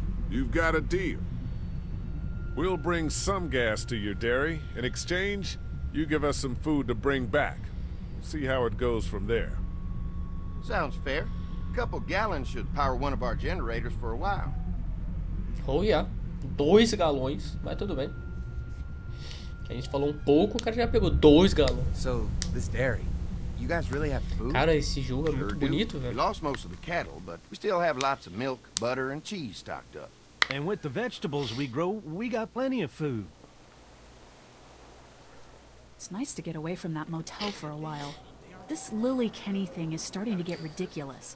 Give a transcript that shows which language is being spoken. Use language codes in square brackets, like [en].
[en] You've got a deal. We'll bring some gas to your dairy. In exchange, you give us some food to bring back. See how it goes from there. Sounds fair. A couple gallons should power one of our generators for a while. Oh yeah. 2 gallons, [pt] mas tudo bem. Que a gente falou pouco, o cara já pegou 2 gallons. [en] So, this dairy. You guys really have food? [pt] Cara, esse jogo é muito bonito, velho. [en] We lost most of the cattle, but we still have lots of milk, butter and cheese stocked up. And with the vegetables we grow, we got plenty of food. It's nice to get away from that motel for a while. This Lily Kenny thing is starting to get ridiculous.